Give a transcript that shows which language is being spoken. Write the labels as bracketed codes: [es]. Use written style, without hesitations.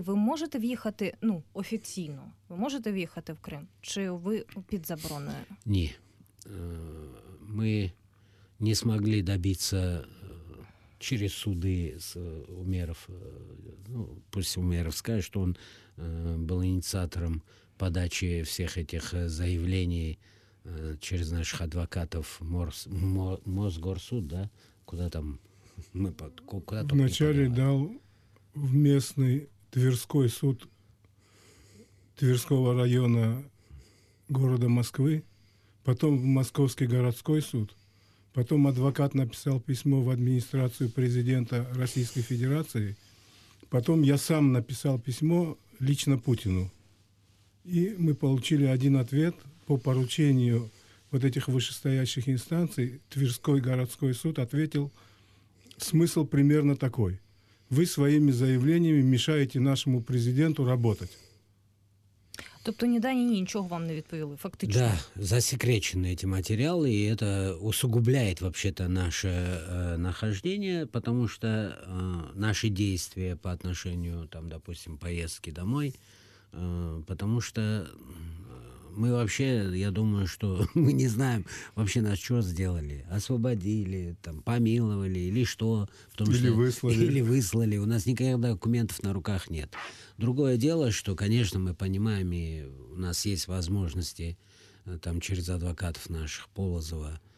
[uk] Ви можете в'їхати, ну, офіційно, ви можете в'їхати в Крим? Чи ви під забороною? Ні. Ми не змогли добитися [ru] через суды с Умеров, ну, пусть Умеров скажет, что он был инициатором подачи всех этих заявлений через наших адвокатов Мосгорсуд, да, куда там мы под... Куда вначале дал в местный Тверской суд Тверского района города Москвы, потом в Московский городской суд. Потом адвокат написал письмо в администрацию президента Российской Федерации. Потом я сам написал письмо лично Путину. И мы получили один ответ по поручению вот этих вышестоящих инстанций. Тверской городской суд ответил, смысл примерно такой. Вы своими заявлениями мешаете нашему президенту работать. [uk] Тобто ні, да, ні, нічого вам не відповіли, фактично. Да, засекречені ці матеріали, і це усугубляє, взагалі-то, наше нахождення, тому що наші дії по відношенню, там, допустим, поїздки домой, тому що [ru] мы вообще, я думаю, что мы не знаем вообще, нас что сделали. Освободили, там, помиловали или что. Или выслали. У нас никаких документов на руках нет. Другое дело, что, конечно, мы понимаем, и у нас есть возможности там, через адвокатов наших, Полозова.